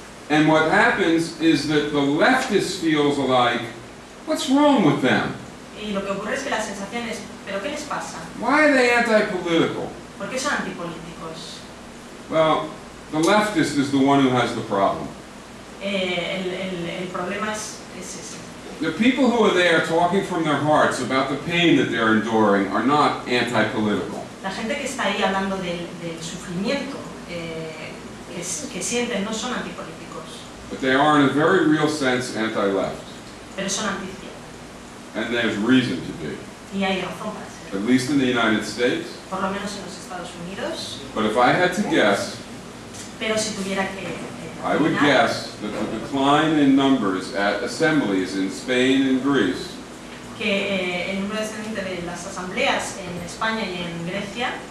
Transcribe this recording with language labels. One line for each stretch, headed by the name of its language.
English: And what happens is that the leftist feels like, what's wrong with them?
Spanish: Y lo que ocurre es que la sensación es, ¿pero qué les pasa?
English: Why are they anti-political?
Spanish: ¿Por qué son antipolíticos?
English: Well, the leftist is the one who has the problem.
Spanish: El problema es ese.
English: The people who are there talking from their hearts about the pain that they're enduring are not anti-political.
Spanish: La gente que está ahí hablando del sufrimiento que sienten no son antipolíticos.
English: But they are, in a very real sense, anti-left.
Spanish: Pero son anti-izquierda.
English: And there's reason to be.
Spanish: Y hay razón para ser.
English: At least in the United States.
Spanish: Por lo menos en los Estados Unidos.
English: But if I had to guess,
Spanish: pero si tuviera que,
English: I would guess that the decline in numbers at assemblies in Spain and Greece
Spanish: que, el número descendente de las asambleas en España y en Grecia